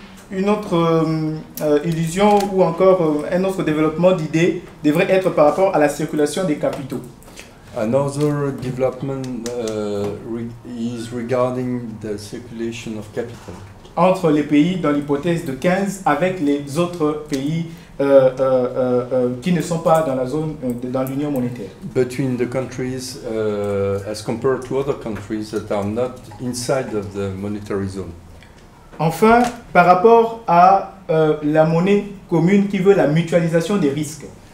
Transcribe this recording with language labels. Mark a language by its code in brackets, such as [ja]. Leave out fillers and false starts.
[fr] Une autre illusion ou encore un autre développement d'idées devrait être par rapport à la circulation des capitaux. [en] Another development is regarding the circulation of capital. [fr] Entre les pays dans l'hypothèse de 15 avec les autres pays qui ne sont pas dans la zone, dans l'union monétaire. [en] Between the countries, as compared to other countries that are not inside of the monetary zone. [fr] Enfin, par rapport à la monnaie commune qui veut la mutualisation des risques.